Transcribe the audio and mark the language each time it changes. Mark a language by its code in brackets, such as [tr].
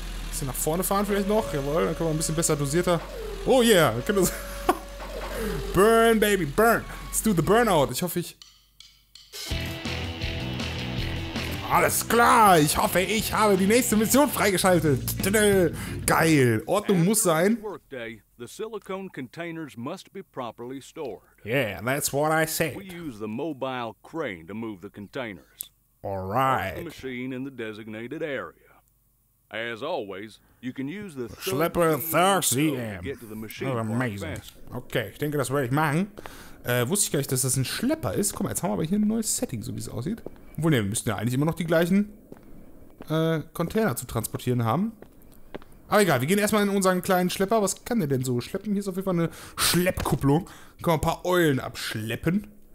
[de] Bisschen nach vorne fahren vielleicht noch. Jawohl, dann können wir ein bisschen besser dosierter... [en] Oh yeah, [de] wir können das... [en] Burn, baby, burn. Let's do the burnout. [de] Ich hoffe, ich... Alles klar. Ich hoffe, ich habe die nächste Mission freigeschaltet. Geil. Ordnung muss sein. [en] Workday, the silicone containers must be properly stored. Yeah, that's what I said. We use the mobile crane to move the containers. All right. The machine in the designated area. As always, you can use the Schlepper 30M. Oh, amazing. [de] Okay, ich denke, das werde ich machen. Wusste ich gar nicht, dass das ein Schlepper ist. Guck mal, jetzt haben wir aber hier ein neues Setting, so wie es aussieht. Obwohl, ne, wir müssten ja eigentlich immer noch die gleichen Container zu transportieren haben. Aber egal, wir gehen erstmal in unseren kleinen Schlepper. Was kann der denn so schleppen? Hier ist auf jeden Fall eine Schleppkupplung. Können wir ein paar Eulen abschleppen.